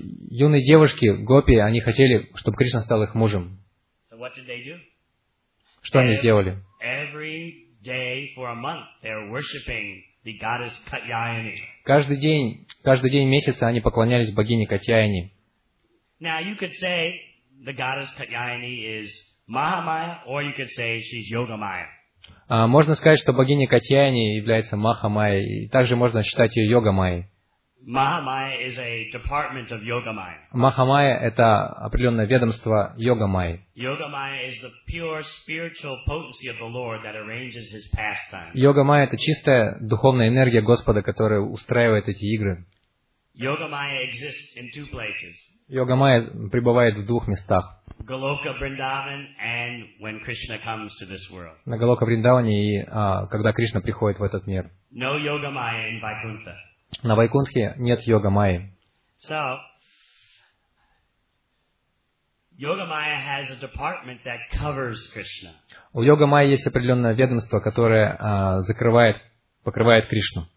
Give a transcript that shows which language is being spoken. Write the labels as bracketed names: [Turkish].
[Russian] Юные девушки, гопи, они хотели, чтобы Кришна стал их мужем. [English] So what did they do? [Russian] Что они сделали? [English] Every day for a month they're worshiping the goddess Katyayani. [Russian] Каждый день месяца они поклонялись богине Катьяйани. [English] Now you could say the goddess Katyayani is Mahamaya, or you could say she's Yogamaya. [Russian] Можно сказать, что богиня Катьяйани является Махамая, и также можно считать ее Йогамайей. [English] Mahamaya is a department of Yogamaya. [Russian] Mahamaya это определённое ведомство Йогамайи. [English] Yogamaya is the pure spiritual potency of the Lord that arranges his pastimes. [Russian] Йогамайя это чистая духовная энергия Господа, которая устраивает эти игры. [English] Yogamaya exists in two places. [Russian] Йогамайя пребывает в двух местах. [English] Goloka Vrindavan and when Krishna comes to this world. [Russian] На Голока Вриндаване и когда Кришна приходит в этот мир. [English] No Yogamaya in Vaikuntha. [Russian] На Вайкунтхе нет йога-майи. [English] So, Yogamaya has a department that covers Krishna. [Russian] У Йогамайи есть определенное ведомство, которое закрывает, покрывает Кришну.